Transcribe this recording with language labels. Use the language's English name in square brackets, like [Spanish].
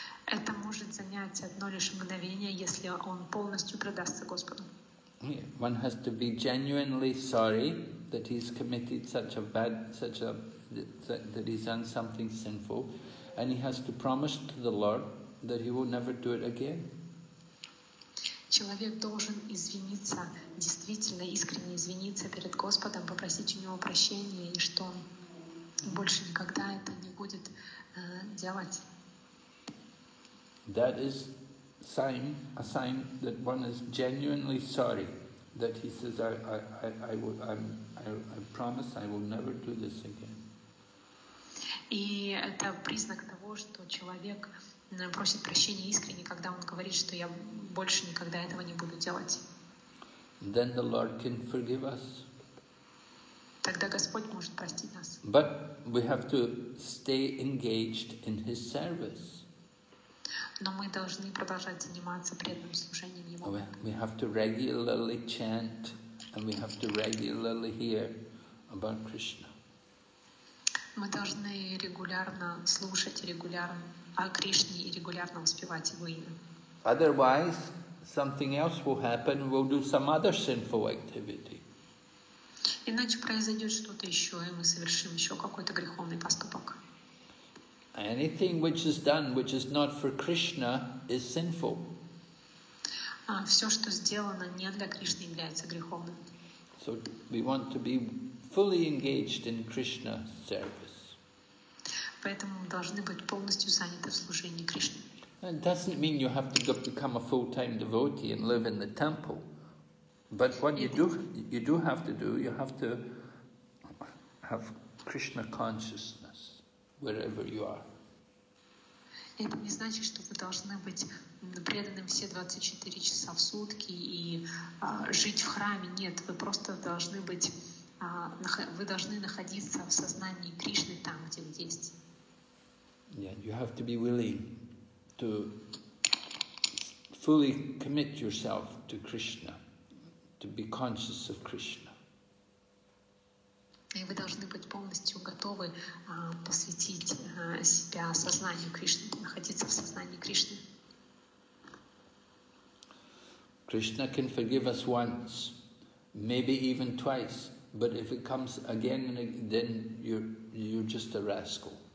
[Russian] Это может занять одно лишь мгновение, если он полностью предастся Господу. [English] One has to be genuinely sorry that he's committed that he's done something sinful, and he has to promise to the Lord that he will never do it again. [Russian] Человек должен извиниться, действительно искренне извиниться перед Господом, попросить у него прощения, и что он больше никогда это не будет делать. [English] That is a sign that one is genuinely sorry, that he says, I promise I will never do this again. [Russian] И это признак того, что человек просит прощения искренне, когда он говорит, что я больше никогда этого не буду делать. [English] Then the Lord can forgive us. [Russian] Тогда Господь может простить нас. [English] But we have to stay engaged in His service. [Russian] Но мы должны продолжать заниматься преданным служением Ему. [English] We have to regularly chant, and we have to regularly hear about Krishna. [Russian] Мы должны регулярно слушать, регулярно о Кришне и регулярно воспевать Его имя. [English] Otherwise, something else will happen. We'll do some other sinful activity. [Russian] Иначе произойдет что-то еще, и мы совершим еще какой-то греховный поступок. [English] Anything which is done, which is not for Krishna, is sinful. [Russian] Все, что сделано не для Кришны, является греховным. [English] So we want to be fully engaged in Krishna's service. [Russian] Поэтому мы должны быть полностью заняты в служении Кришне. [English] It doesn't mean you have to become a full-time devotee and live in the temple. But what you do have to do, you have to have Krishna consciousness wherever you are. [Russian] Это не значит, что вы должны быть преданным все 24 часа в сутки и жить в храме. Нет, вы просто должны быть, вы должны находиться в сознании Кришны там, где вы есть. [English] Yeah, you have to be willing to fully commit yourself to Krishna, to be conscious of Krishna. [Russian] И вы должны быть полностью готовы посвятить себя сознанию Кришны, находиться в сознании Кришны. [English] Krishna can forgive us once, maybe even twice, but if it comes again and again, then you're just a rascal.